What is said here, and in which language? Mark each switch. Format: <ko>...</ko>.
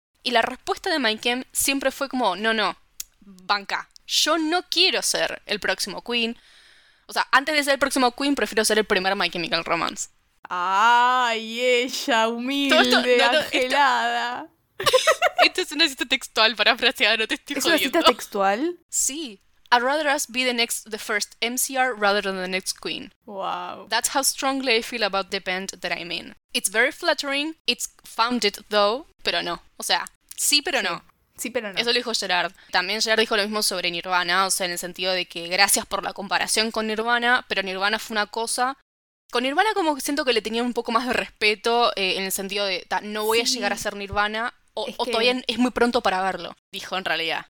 <es>Y la respuesta de Mike M siempre fue como, no, no, banca. Yo no quiero ser el próximo Queen. O sea, antes de ser el próximo Queen, prefiero ser el primer My Chemical Romance. ¡Ay, ella humilde, angelada! Esto es una cita textual, parafraseada, no te estoy jodiendo. ¿Es una cita textual? Sí.</es> <en>I'd rather us be the first MCR rather than the next queen. Wow. That's how strongly I feel about the band that I'm in. It's very flattering, it's founded though, pero no.</en> <es>O sea, sí, pero sí. No. Sí, pero no. Eso lo dijo Gerard. También Gerard dijo lo mismo sobre Nirvana, o sea, en el sentido de que gracias por la comparación con Nirvana, pero Nirvana fue una cosa... Con Nirvana como que siento que le tenía un poco más de respeto, en el sentido de, no voy a llegar a ser Nirvana, o todavía es muy pronto para verlo, dijo en realidad.</es>